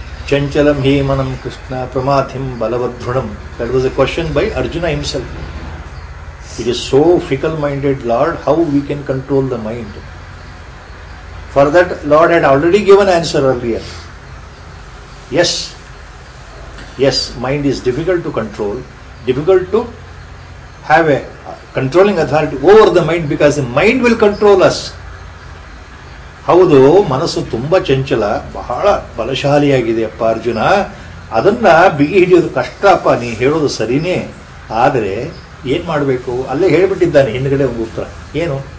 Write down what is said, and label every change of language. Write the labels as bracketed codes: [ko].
[sa] ಚಂಚಲಂ ಹೇಮನಂ Krishna ಪ್ರಮಾಥಿಂ ಬಲವದೃಢಂ [en] That was a question by Arjuna himself it is so fickle minded lord how we can control the mind for that lord had already given answer earlier as as mind is difficult to control difficult to have a controlling authority over the mind, because the mind will control us. [kn] ಹೌದು, ಮನಸ್ಸು ತುಂಬ ಚಂಚಲ, ಬಹಳ ಬಲಶಾಲಿಯಾಗಿದೆಯಪ್ಪ ಅರ್ಜುನ, ಅದನ್ನ ಬಿಗಿ ಹಿಡಿಯೋದು ಕಷ್ಟಪ್ಪ, ನೀ ಹೇಳೋದು ಸರಿನೇ, ಆದರೆ ಏನ್ ಮಾಡಬೇಕು? ಅಲ್ಲೇ ಹೇಳಿಬಿಟ್ಟಿದ್ದಾನೆ ಹಿಂದ್ಗಡೆ ಒಂದು ಉತ್ತರ, ಏನು?